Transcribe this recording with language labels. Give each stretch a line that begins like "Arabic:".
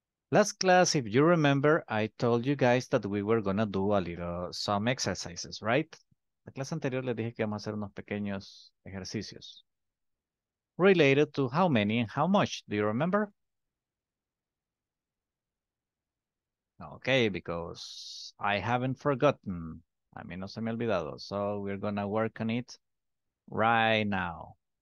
English: Last class, if you remember, I told you guys that we were going to do a little, some exercises, right?
Spanish: La clase anterior les dije que vamos a hacer unos pequeños ejercicios.
English: Related to how many and how much, do you remember? Okay, because I haven't forgotten.
Spanish: A mí no se me ha olvidado.
English: So we're going to work on it right now.